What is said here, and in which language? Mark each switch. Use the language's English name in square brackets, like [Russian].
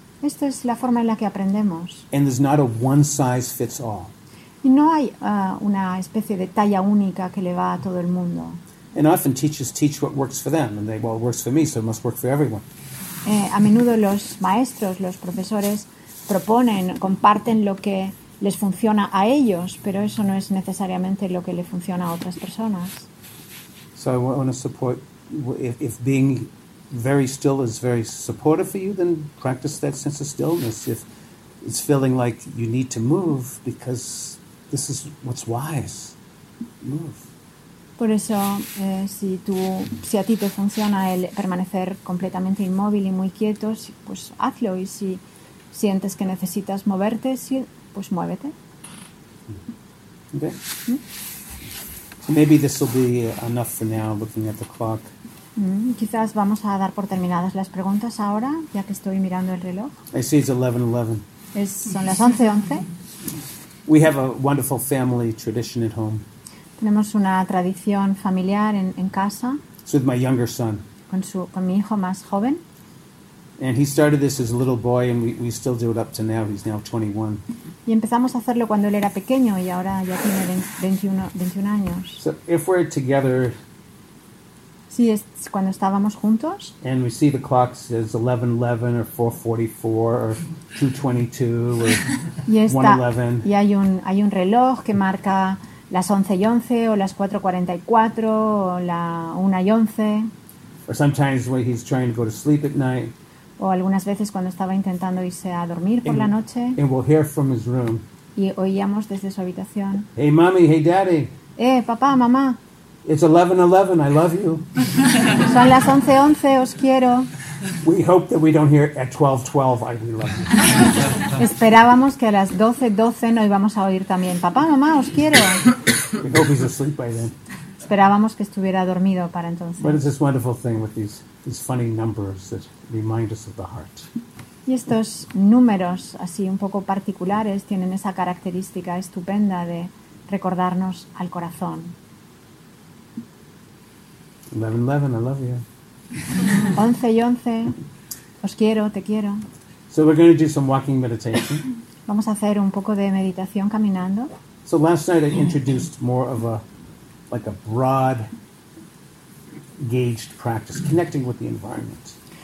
[Spanish] Esta es la forma en la que aprendemos. [English] And there's not a one size fits all. [Spanish] Y no hay una especie de talla única que le va a todo el mundo. [English] And often teachers teach what works for them, and they, well, it works for me, so it must work for everyone. [Spanish] A menudo los maestros, los profesores, proponen, comparten lo que les funciona a ellos, pero eso no es necesariamente lo que le funciona a otras personas. [English] So I want to support, if being very still is very supportive for you, then practice that sense of stillness. If it's feeling like you need to move, because this is what's wise, move. [Spanish] Por eso, si a ti te funciona el permanecer completamente inmóvil y muy quieto, pues hazlo. Y si sientes que necesitas moverte, pues muévete. Mm-hmm. Okay. Mm-hmm. [English] Maybe this will be enough for now, looking at the clock. [Spanish] Quizás vamos a dar por terminadas las preguntas ahora, ya que estoy mirando el reloj. [English] I see it's 11:11. [Spanish] Son las 11:11. [English] We have a wonderful family tradition at home. [Spanish] Tenemos una tradición familiar en casa. [English] It's with my younger son. [Spanish] Con mi hijo más joven. [English] And he started this as a little boy, and we still do it up to now. He's now 21. [Spanish] Y empezamos a hacerlo cuando él era pequeño, y ahora ya tiene 21 años. [English] So if we're together. [Spanish] Sí, es cuando estábamos juntos. [English] And we see the clock says 11:11 or 4:44 or 2:22 or 1:11. [Spanish] Y hay un reloj que marca las 11:11 o las 4:44 o la 1:11. [English] Or sometimes when he's trying to go to sleep at night. [Spanish] O algunas veces cuando estaba intentando irse a dormir por la noche. [English] And we'll hear from his room. [Spanish] Y oíamos desde su habitación. [English] Hey, mommy. Hey, daddy. [Spanish] Papá, mamá. [English] It's 11:11. I love you. [Spanish] Son las 11:11. Os quiero. [English] We hope that we don't hear at 12:12. I really love you. [Spanish] Esperábamos que a las 12:12 no íbamos a oír también. Papá, mamá, os quiero. [English] We hope he's asleep by then. [Spanish] Esperábamos que estuviera dormido para entonces. [English] What is this wonderful thing with these funny numbers that remind us of the heart? [Spanish] Y estos números así un poco particulares tienen esa característica estupenda de recordarnos al corazón. [English] 11:11, I love you. [Spanish] 11:11, os quiero, te quiero. [English] So we're going to do some walking meditation. [Spanish] Vamos a hacer un poco de meditación caminando. [English] So last night I introduced more of a like a broad gauged practice connecting with the environment.